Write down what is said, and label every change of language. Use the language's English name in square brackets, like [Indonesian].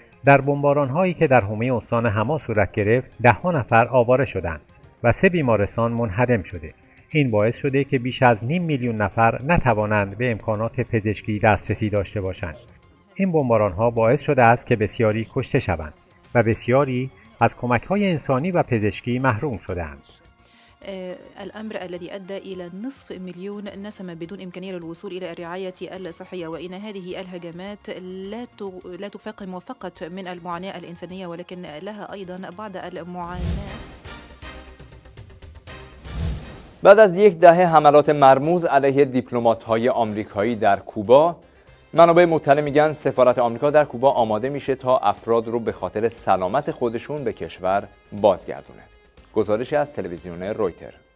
[Persian] در بمباران هایی که در حومه استان حما صورت گرفت، 10 نفر آواره شدند و 3 بیمارستان منهدم شده. این باعث شده که بیش از 500,000 نفر نتوانند به امکانات پزشکی دسترسی داشته باشند. این بمباران ها باعث شده است که بسیاری کشته شوند و بسیاری از کمک های انسانی و پزشکی محروم شدند. [Arabic] الامر الذي ادى الى 500,000 نسمه بدون امكانيه للوصول الى الرعايه الصحيه وان هذه الهجمات لا تفاقم فقط من المعاناه الانسانيه ولكن لها ايضا بعض المعاناه. [Persian] بعد از 1 دهه حملات مرموز علیه دیپلمات‌های آمریکایی در کوبا، منابع مطلع میگن سفارت آمریکا در کوبا آماده میشه تا افراد رو به خاطر سلامت خودشون به کشور بازگردونه. گزارشی از تلویزیون رویتر.